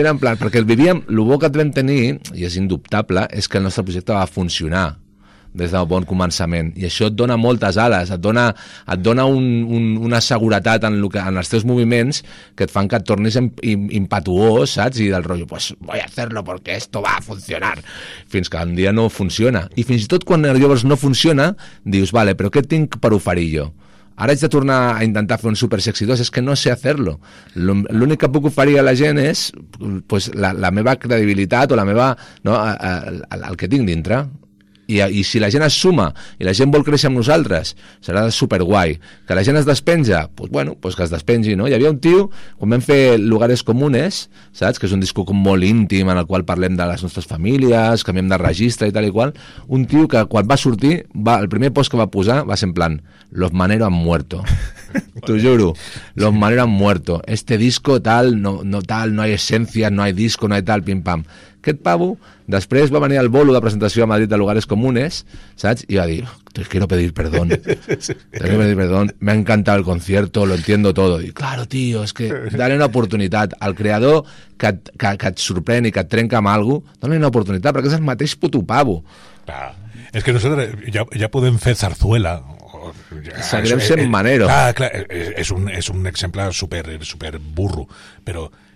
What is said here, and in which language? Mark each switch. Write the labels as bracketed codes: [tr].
[ca] En plan, perquè vivíem, el bo que vam tenir, i és indubtable, és que el nostre projecte va funcionar des del bon començament, i això et dona moltes ales, et dona una seguretat en els teus moviments que et fan que et tornis impetuós, saps? I del rotllo, [es] pues voy a hacerlo porque esto va a funcionar, [ca] fins que un dia no funciona. I fins i tot quan llavors no funciona, dius, vale, però què tinc per oferir jo? Ara haig de tornar a intentar fer un super sexy 2, és que no sé fer-lo. L'únic que puc oferir a la gent és pues, la meva credibilitat o la meva, no, el que tinc dintre. I si la gent es suma i la gent vol créixer amb nosaltres, serà superguai. Que la gent es despenja, pues, bueno, pues que es despengi, no? Hi havia un tio, quan vam fer Lugares Comunes, saps? Que és un disco molt íntim en el qual parlem de les nostres famílies, canviem de registre i tal i qual, un tio que quan va sortir, el primer post que va posar va ser en plan, [es] Los Manero han muerto. [ca] T'ho juro, [es] Los Manero han muerto. Este disco tal, no tal, no hay esencia, no hay disco, no hay tal, pim pam. [ca] Aquest pavo després va venir al bolo de presentació a Madrid de Lugares Comunes, saps? I va dir, [es] te quiero pedir perdón. [ca] Te quiero pedir perdón. [es] Me ha encantado el concierto, lo entiendo todo. I claro, tío, es que dale una oportunitat. [ca] Al creador que et sorprèn i que et trenca amb algú, [es] dale una [ca] oportunitat, perquè és el mateix puto pavo. [es] Claro. [ca] És que nosaltres ja podem fer zarzuela. Seguirem sent Manero. Clar, és un exemple super, super burro, però...